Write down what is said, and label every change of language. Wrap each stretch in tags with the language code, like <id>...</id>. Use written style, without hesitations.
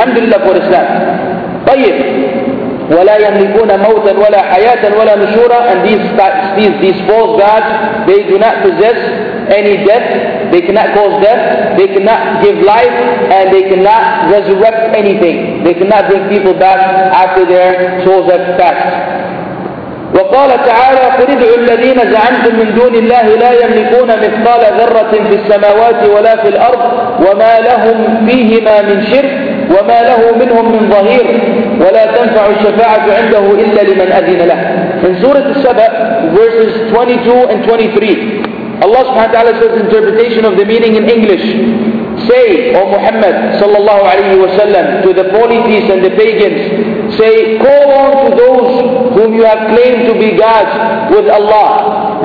<en>Alhamdulillah for Islam.</en> <ar>طيب. وَلَا يَمْلِكُونَ مَوْتًا وَلَا حَيَاةً وَلَا نُشُورًا.</ar> <en>And these false gods, they do not possess any death. They cannot cause death. They cannot give life. And they cannot resurrect anything. They cannot bring people back after their souls have passed.</en> <ar>وقال تعالى قل ادعوا الذين زعمتم من دون الله لا يملكون مثقال ذرة في السماوات ولا في الأرض وما لهم فيهما من شرك وما له منهم من ظهير ولا تنفع الشفاعة عنده إلا لمن أذن له.</ar> <en>In Surah Al-Saba, verses 22 and 23, Allah subhanahu wa ta'ala says interpretation of the meaning in English. Say, O Muhammad sallallahu alayhi wa sallam, to the polytheists and the pagans, say, call on to those whom you have claimed to be gods with Allah.</en>